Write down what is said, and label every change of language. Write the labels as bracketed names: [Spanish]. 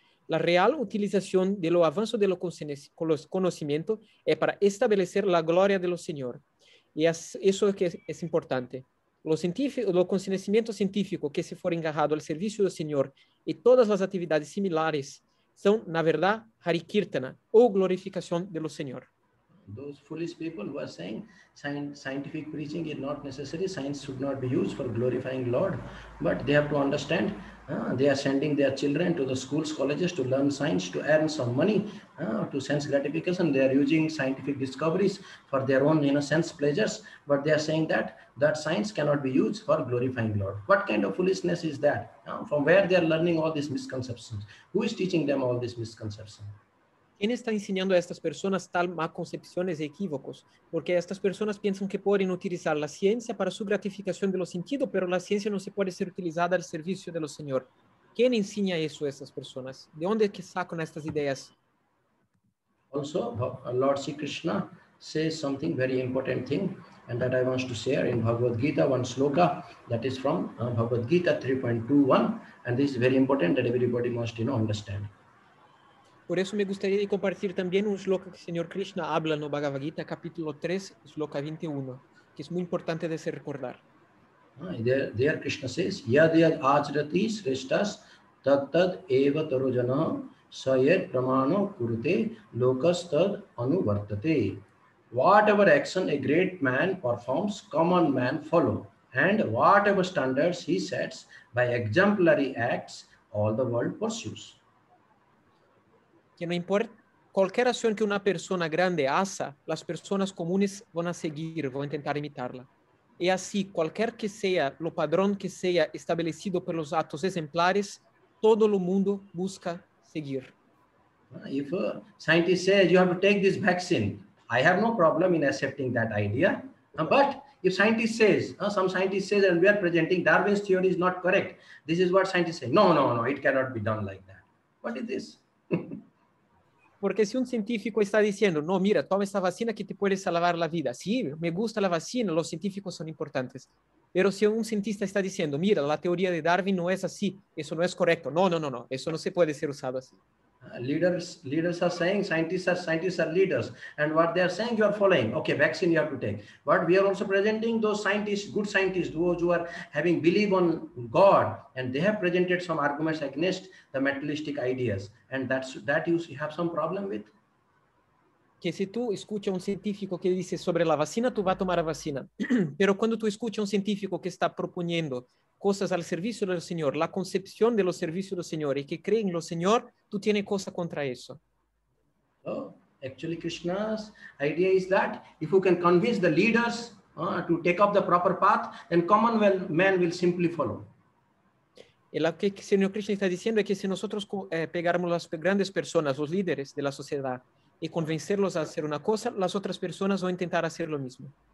[Spanish] La real utilización de lo avanzo de los conocimientos es para establecer la gloria de los Señor. Y eso es que es importante. Lo conocimiento científico que se fuera engajado al servicio del Señor y todas las actividades similares son, na verdad, Harikirtana o glorificación de los Señor. [English] Those foolish people who are saying scientific preaching is not necessary, science should not be used for glorifying Lord, but they have to understand they are sending their children to the schools, colleges to learn science, to earn some money, to sense gratification. They are using scientific discoveries for their own, you know, sense pleasures, but they are saying that science cannot be used for glorifying Lord. What kind of foolishness is that? From where they are learning all these misconceptions? Who is teaching them all these misconceptions? [Spanish] ¿Quién está enseñando a estas personas tal más concepciones equívocos? Porque estas personas piensan que pueden utilizar la ciencia para su gratificación de los sentidos, pero la ciencia no se puede ser utilizada al servicio de los señores. ¿Quién enseña eso a estas personas? ¿De dónde es que sacan estas ideas? [English] Also, Lord Sri Krishna says something very important thing, and that I want to share in Bhagavad Gita, one sloka, that is from Bhagavad Gita 3.21, and this is very important that everybody must, you know, understand. [Spanish] Por eso me gustaría compartir también un shloka que el Señor Krishna habla en Bhagavad Gita, capítulo 3, shloka 21, que es muy importante de ser recordar. [English] There Krishna says, [Sanskrit] yad yad acharati shrestas tad tad eva tarujana sayad pramano kurute lokas tad anuvartate. [English] Whatever action a great man performs, common man follow. And whatever standards he sets by exemplary acts, all the world pursues. [Spanish] Que no importa cualquier acción que una persona grande haga, las personas comunes van a seguir, van a intentar imitarla. Y así, cualquier que sea lo padrón que sea establecido por los actos ejemplares, todo el mundo busca seguir. [English] If a scientist says you have to take this vaccine, I have no problem in accepting that idea. But if scientist says, some scientist says, and we are presenting Darwin's theory is not correct, this is what scientist say. No, it cannot be done like that. What is this? [Spanish] Porque si un científico está diciendo, no, mira, toma esta vacina que te puede salvar la vida. Sí, me gusta la vacina, los científicos son importantes. Pero si un cientista está diciendo, mira, la teoría de Darwin no es así, eso no es correcto. No, eso no se puede ser usado así. [English] Leaders are saying, scientists are leaders. And what they are saying, you are following. Okay, vaccine you have to take. But we are also presenting those scientists, good scientists, those who are having belief on God. And they have presented some arguments against the materialistic ideas. And that you have some problem with? [Spanish] Que si tú escuchas un científico que dice sobre la vacina, tú vas a tomar la vacina. Pero cuando tú escuchas un científico que está proponiendo cosas al servicio del Señor, la concepción de los servicios del Señor y que creen en el Señor, tú tienes cosa contra eso. Oh, [English] Actually, Krishna's idea is that if you can convince the leaders to take up the proper path, then common man will simply follow. [Spanish] Lo que el señor Krishna está diciendo es que si nosotros pegáramos las grandes personas, los líderes de la sociedad, y convencerlos a hacer una cosa, las otras personas van a intentar hacer lo mismo.